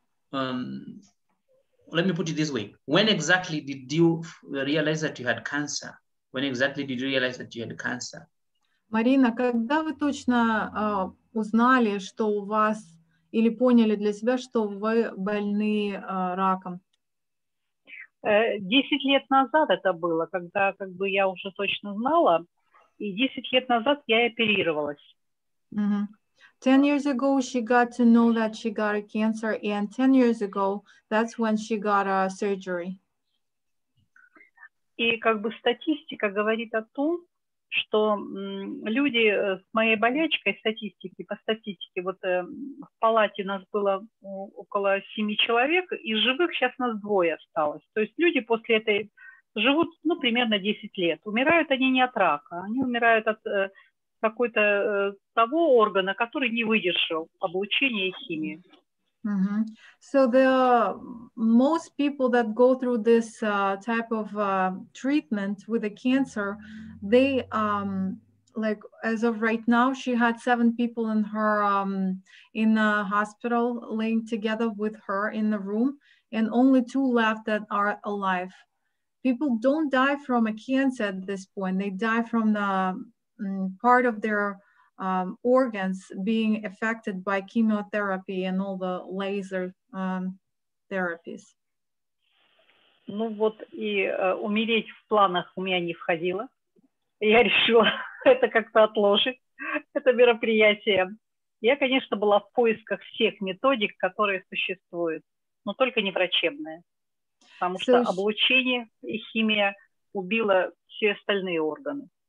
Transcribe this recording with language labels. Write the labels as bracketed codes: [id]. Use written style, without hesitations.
[en] Let me put it this way: when exactly did you realize that you had cancer? When exactly did you realize that you had cancer? [ru] Марина, когда вы точно узнали, что у вас или поняли для себя, что вы больны раком? 10 лет назад это было, когда как бы я уже точно знала, и 10 лет назад я оперировалась. Mm-hmm. [en] 10 years ago she got to know that she got a cancer, and 10 years ago that's when she got a surgery. [ru] И как бы статистика говорит о том, что люди с моей болячкой, статистики, по статистике, вот в палате нас было около 7 человек, из живых сейчас нас двое осталось. То есть люди после этой живут, ну, примерно 10 лет. Умирают они не от рака, они умирают от какой-то того органа, который не выдержал облучения и химии. Mm-hmm. [en] So the most people that go through this type of treatment with a cancer, they like as of right now, she had 7 people in her in the hospital laying together with her in the room, and only 2 left that are alive. People don't die from a cancer at this point; they die from the part of their organs being affected by chemotherapy and all the laser therapies. [ru] Ну вот и умереть в планах у меня не входило. Я решила это как-то отложить, это мероприятие. Я, конечно, была в поисках всех методик, которые существуют, но только не врачебные, потому что облучение и химия убило все остальные органы.